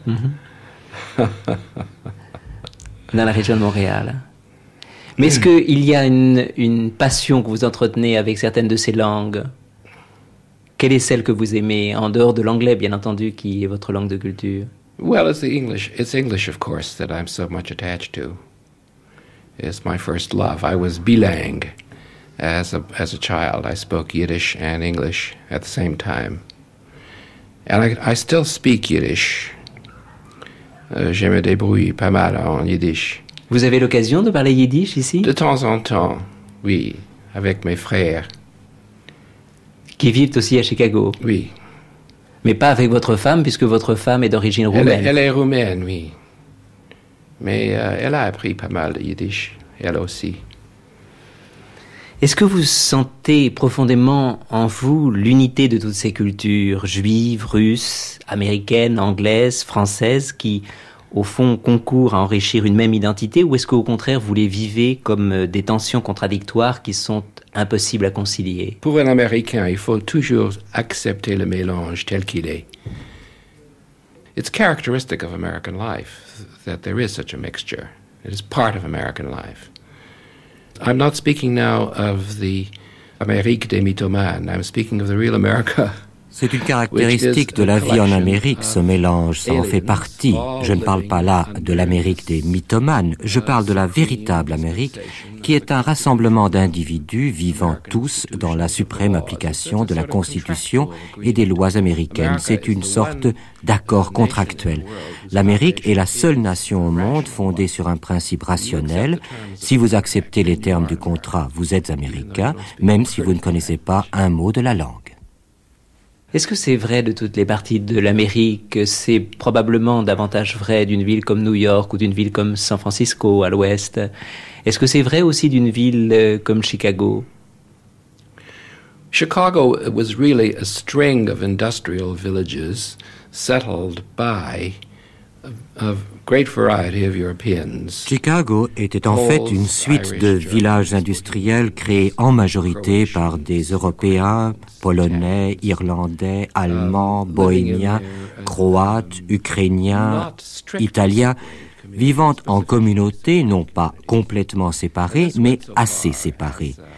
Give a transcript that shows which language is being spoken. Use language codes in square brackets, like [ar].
[fr] Oui. Dans la région de Montréal. Mais est-ce qu'il y a une passion que vous entretenez avec certaines de ces langues? Quelle est celle que vous aimez, en dehors de l'anglais, bien entendu, qui est votre langue de culture? [en] Well, it's the English. It's English, of course, that I'm so much attached to. It's my first love. I was bilingue as a child. I spoke Yiddish and English at the same time. And I still speak Yiddish. [fr] Je me débrouille pas mal en Yiddish. Vous avez l'occasion de parler yiddish ici? De temps en temps, oui, avec mes frères. Qui vivent aussi à Chicago? Oui. Mais pas avec votre femme, puisque votre femme est d'origine roumaine. Elle est roumaine, oui. Mais elle a appris pas mal de yiddish, elle aussi. Est-ce que vous sentez profondément en vous l'unité de toutes ces cultures, juives, russes, américaines, anglaises, françaises, qui... au fond, concourt à enrichir une même identité, ou est-ce qu'au contraire, vous les vivez comme des tensions contradictoires qui sont impossibles à concilier? Pour un Américain, il faut toujours accepter le mélange tel qu'il est. [en] It's characteristic of American life that there is such a mixture. It is part of American life. I'm not speaking now of the [fr] Amérique des mythomanes. [en] I'm speaking of the real America, [fr] C'est une caractéristique de la vie en Amérique, ce mélange, ça en fait partie. Je ne parle pas là de l'Amérique des mythomanes, je parle de la véritable Amérique, qui est un rassemblement d'individus vivant tous dans la suprême application de la Constitution et des lois américaines. C'est une sorte d'accord contractuel. L'Amérique est la seule nation au monde fondée sur un principe rationnel. Si vous acceptez les termes du contrat, vous êtes américain, même si vous ne connaissez pas un mot de la langue. Est-ce que c'est vrai de toutes les parties de l'Amérique? C'est probablement davantage vrai d'une ville comme New York ou d'une ville comme San Francisco à l'ouest. Est-ce que c'est vrai aussi d'une ville comme Chicago? [en] Chicago was really a string of industrial villages settled by [fr] Chicago était en fait une suite de villages industriels créés en majorité par des Européens, Polonais, Irlandais, Allemands, Bohémiens, Croates, Ukrainiens, Italiens, vivant en communauté, non pas complètement séparés, mais assez séparés.